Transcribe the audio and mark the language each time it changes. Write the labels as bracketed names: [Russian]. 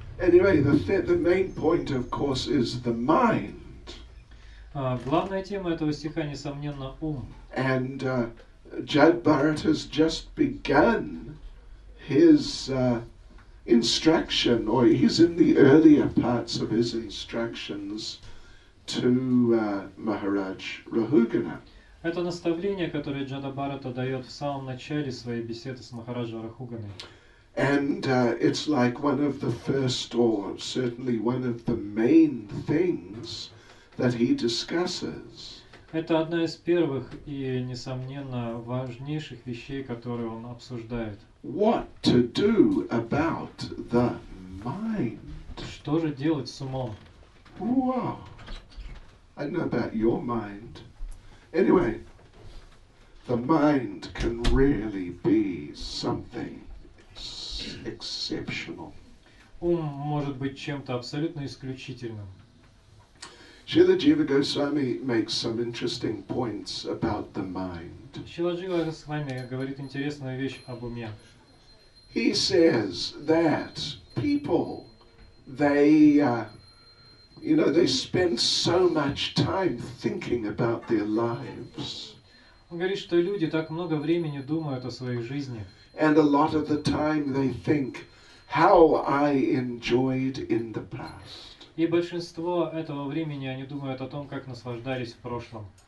[English] Anyway, the main point, of course, is the mind. [Russian] Главная тема этого стиха, несомненно, ум. [English] And Jad Bharat has just begun his instruction, or he's in the earlier parts of his instructions to Maharaj Rahugana. [Russian] Это наставление, которое Джада Бхарата дает в самом начале своей беседы с Махараджа Рахуганой. [English] And it's like one of the first, or certainly one of the main things that he discusses. [Russian] Это одна из первых и, несомненно, важнейших вещей, которые он обсуждает. [English] What to do about the mind? [Russian] Что же делать с умом? [English] Wow! I don't know about your mind. Anyway, the mind can really be something exceptional. [Russian] Ум может быть чем-то абсолютно исключительным. [English] Srila Jiva Goswami makes some interesting points about the mind. [Russian] Srila Jiva Goswami говорит интересную вещь об уме. [English] He says that people, they, you know, they spend so much time thinking about their lives. [Russian] Он говорит, что люди так много времени думают о своей жизни. [English] And a lot of the time they think, how I enjoyed in the past. [Russian] И большинство этого времени они думают о том, как наслаждались в прошлом.